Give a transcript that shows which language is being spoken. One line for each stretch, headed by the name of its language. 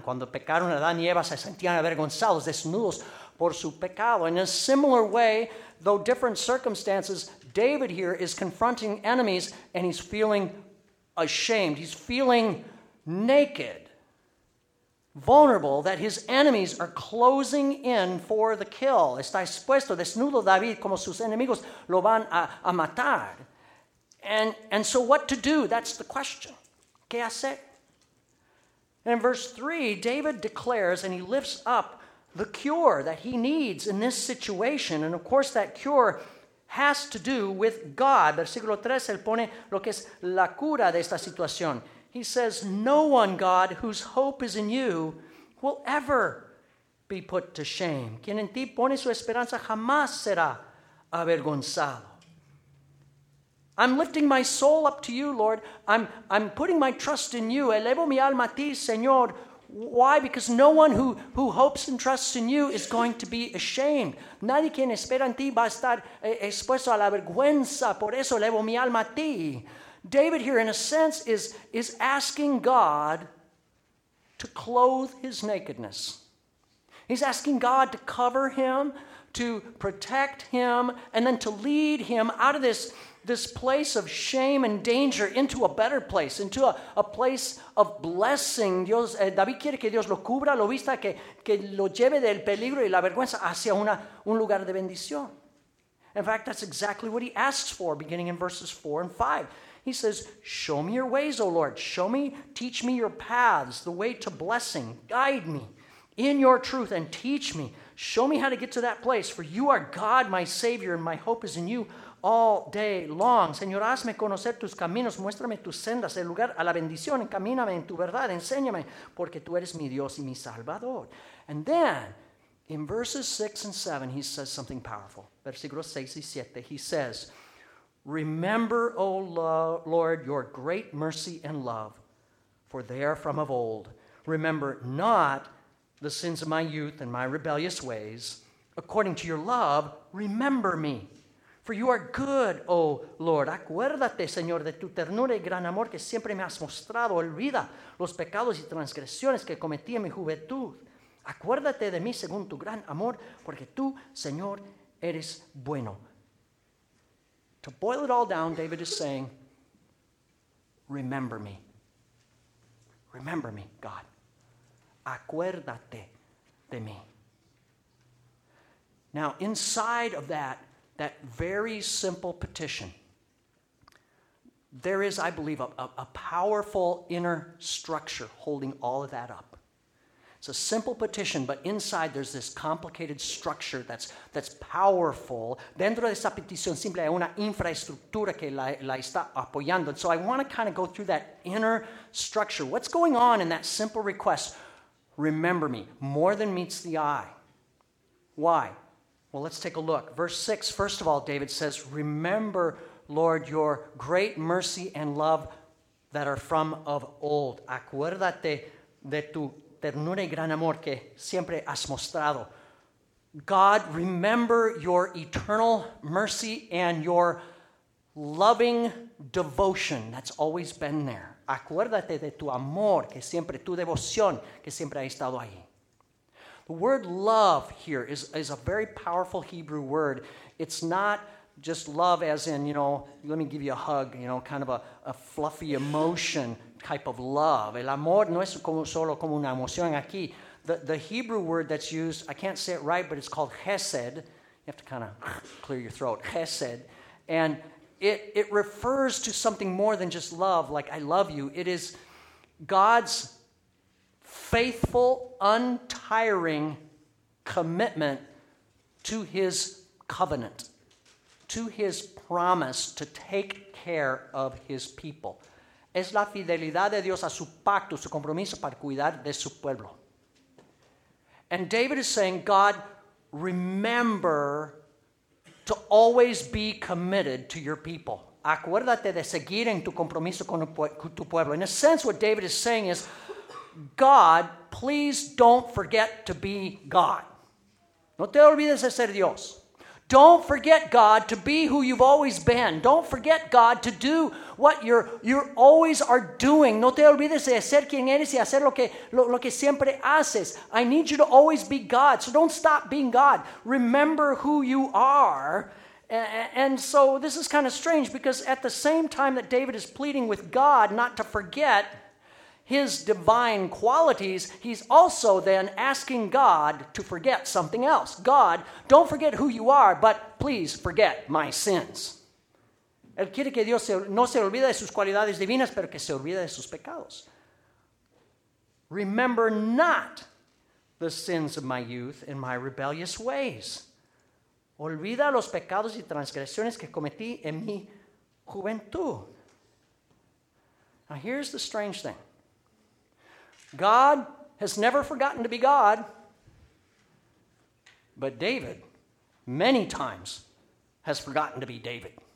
Spanish: Cuando pecaron Adán y Eva, se sentían avergonzados, desnudos por su pecado.
English: In a similar way, though different circumstances, David here is confronting enemies and he's feeling ashamed. He's feeling naked. Vulnerable, that his enemies are closing in for the kill.
Spanish: Está expuesto, desnudo David, como sus enemigos lo van a matar.
English: And so what to do? That's the question.
Spanish: ¿Qué hacer?
English: In verse 3, David declares and he lifts up the cure that he needs in this situation. And of course, that cure has to do with God.
Spanish: Versículo 3, él pone lo que es la cura de esta situación.
English: He says, no one, God, whose hope is in you, will ever be put to shame.
Spanish: Quien en ti pone su esperanza jamás será avergonzado.
English: I'm lifting my soul up to you, Lord. I'm putting my trust in you.
Spanish: Elevo mi alma a ti, Señor.
English: Why? Because no one who hopes and trusts in you is going to be ashamed.
Spanish: Nadie quien espera en ti va a estar expuesto a la vergüenza. Por eso elevo mi alma a ti.
English: David here, in a sense, is asking God to clothe his nakedness. He's asking God to cover him, to protect him, and then to lead him out of this place of shame and danger into a better place, into a place of blessing.
Spanish: Dios, David quiere que Dios lo cubra, lo vista, que lo lleve del peligro y la vergüenza hacia un lugar de bendición.
English: In fact, that's exactly what he asks for, beginning in verses 4 and 5. He says, show me your ways, O Lord. Show me, teach me your paths, the way to blessing. Guide me in your truth and teach me. Show me how to get to that place. For you are God, my Savior, and my hope is in you all day long.
Spanish: Señor, hazme conocer tus caminos. Muéstrame tus sendas, el lugar a la bendición. Encamíname en tu verdad. Enséñame, porque tú eres mi Dios y mi Salvador.
English: And then, in verses 6 and 7, he says something powerful.
Spanish: Versículos 6 y 7,
English: he says, remember, O Lord, your great mercy and love, for they are from of old. Remember not the sins of my youth and my rebellious ways. According to your love, remember me. For you are good, oh Lord.
Spanish: Acuérdate, Señor, de tu ternura y gran amor que siempre me has mostrado. Olvida los pecados y transgresiones que cometí en mi juventud. Acuérdate de mí según tu gran amor, porque tú, Señor, eres bueno.
English: To boil it all down, David is saying, remember me. Remember me, God.
Spanish: Acuérdate de mí.
English: Now, inside of that very simple petition, there is, I believe, a powerful inner structure holding all of that up. It's a simple petition, but inside there's this complicated structure that's powerful.
Spanish: Dentro de esa petición simple hay una infraestructura que la está apoyando.
English: And so I want to kind of go through that inner structure. What's going on in that simple request? Remember me, more than meets the eye. Why? Well, let's take a look. Verse 6, first of all, David says, remember, Lord, your great mercy and love that are from of old.
Spanish: Acuérdate de tu ternura y gran amor que siempre has mostrado.
English: God, remember your eternal mercy and your loving devotion that's always been there.
Spanish: Acuérdate de tu amor que siempre, tu devoción que siempre ha estado ahí.
English: The word love here is a very powerful Hebrew word. It's not just love as in, you know, let me give you a hug, you know, kind of a fluffy emotion type of love.
Spanish: El amor no es como solo como una emoción aquí.
English: The Hebrew word that's used, I can't say it right, but it's called chesed. You have to kind of clear your throat. Chesed. And it refers to something more than just love, like I love you. It is God's faithful, untiring commitment to his covenant, to his promise to take care of his people.
Spanish: Es la fidelidad de Dios a su pacto, su compromiso para cuidar de su pueblo.
English: And David is saying, God, remember to always be committed to your people.
Spanish: Acuérdate de seguir en tu compromiso con tu pueblo.
English: In a sense, what David is saying is, God, please don't forget to be God.
Spanish: No te olvides de ser Dios.
English: Don't forget, God, to be who you've always been. Don't forget, God, to do what you're always are doing.
Spanish: No te olvides de ser quien eres y hacer lo que siempre haces.
English: I need you to always be God. So don't stop being God. Remember who you are. And so this is kind of strange because at the same time that David is pleading with God not to forget his divine qualities, he's also then asking God to forget something else. God, don't forget who you are, but please forget my sins.
Spanish: Él quiere que Dios no se olvide de sus cualidades divinas, pero que se olvide de sus pecados.
English: Remember not the sins of my youth and my rebellious ways.
Spanish: Olvida los pecados y transgresiones que cometí en mi juventud.
English: Now here's the strange thing. God has never forgotten to be God, but David, many times, has forgotten to be David.